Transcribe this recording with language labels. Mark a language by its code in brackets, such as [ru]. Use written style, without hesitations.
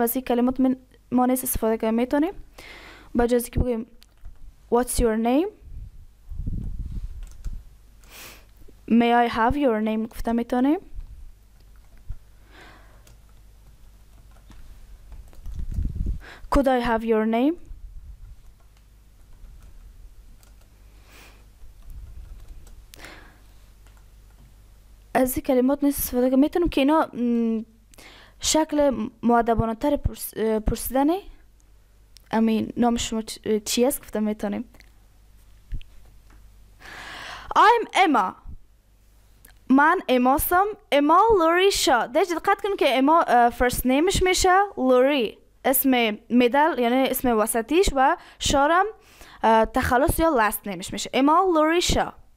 [fa] از این کلمات ما نیست استفاده کرده میتونیم بجای از اینکه بگیم [en] What's your name? May I have your name? [fa] گفته میتونیم [en] Could I have your name? [fa] از این کلمات نیست استفاده کنم. میتونم که اینا شکل مؤدبانه تر پرسیدنه. نام شما چی است گفتم میتونیم. [en] I'm Emma. [fa] من اما هستم. اما لوری شا. دیگه دقت کن که اما فرست نیمش میشه لوری. اسم میدل یعنی اسم وسطیش و شارم تخلص یا لست نیمش میشه اما لوری شا